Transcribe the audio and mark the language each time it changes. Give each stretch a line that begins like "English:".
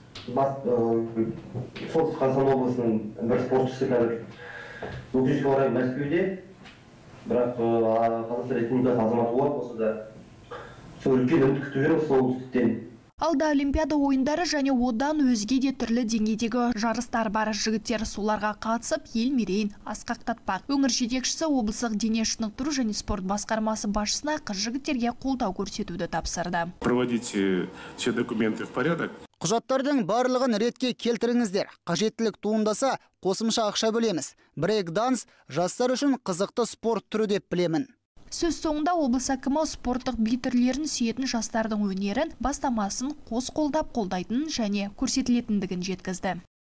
Kazakh: Солтүстік қазақстан облысының бір спортшысы қазір өкінішке орай Мәскеуде, бірақ қазақстан республикасы азаматы болып болса да сол үлкен үміт күтіп жүрміз солтүстіктен. Алда олимпиада ойындары және одан өзге де түрлі деңгейдегі жарыстар бар. Жігіттер соларға қатысып, ел мерейін асқақтатпақ. Өңір жетекшісі облыстық дене шынықтыру және спорт басқармасы басшысына қыз жігіттерге қолдау көрсетуді тапсырды.
Russian: Проводите все документы в порядок.
Kazakh: Құжаттардың барлығын ретке келтіріңіздер. Қажеттілік туындаса, қосымша ақша бөлеміз. Брейкданс жастар үшін қызықты спорт түрі деп білемін. Сөз соңында облыс әкімі спорттық би түрлерін сүйетін жастардың өнерін, бастамасын қос қолдап қолдайтынын және көрсетілетіндігін жеткізді.